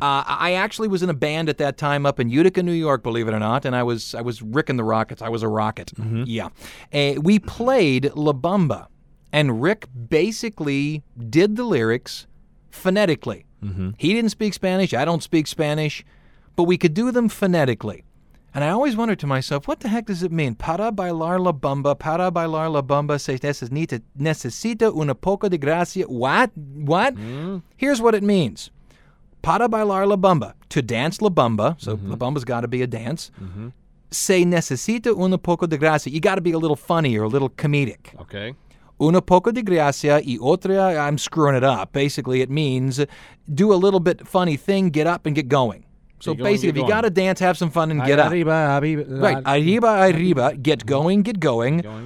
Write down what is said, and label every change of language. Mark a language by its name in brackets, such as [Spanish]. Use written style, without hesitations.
[English] I actually was in a band at that time up in Utica, New York, believe it or not, and I was Rickin' the Rockets. I was a rocket. Mm-hmm. Yeah. We played La Bamba And Rick basically did the lyrics phonetically. Mm-hmm. He didn't speak Spanish. I don't speak Spanish. But we could do them phonetically. And I always wondered to myself, what the heck does it mean? [Spanish] Para bailar la bamba, para bailar la bamba, se necesita una poca de gracia. [English] What? What? Mm. Here's what it means. [Spanish] Para bailar la bamba, [English] to dance la bamba. So mm-hmm. la bamba's got to be a dance. Mm-hmm. [Spanish] Se necesita una poco de gracia. [English] You got to be a little funny or a little comedic. Okay. [Spanish] Una poco de gracia y otra, [English] I'm screwing it up. Basically, it means do a little bit funny thing, get up and get going. So going, basically, if you got to dance, have some fun and get [Spanish] arriba, [English] up. [Spanish] Arriba, arriba. [English] Right, [Spanish] arriba, arriba. [English] Get going, get going.